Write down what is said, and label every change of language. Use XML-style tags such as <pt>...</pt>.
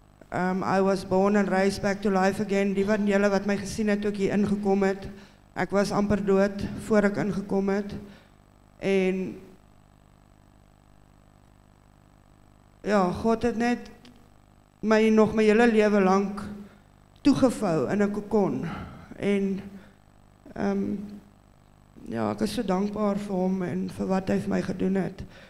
<en>I was born and raised back to life again.</en> <af>Die van julle wat my gesien het toe ek hier ingekom het. Ek was amper dood voor ek ingekom het. En ja, God het net my nog my hele lewe lank toegevou in 'n kokon. En ek is so dankbaar vir hom en vir wat hy vir my gedoen het.</af>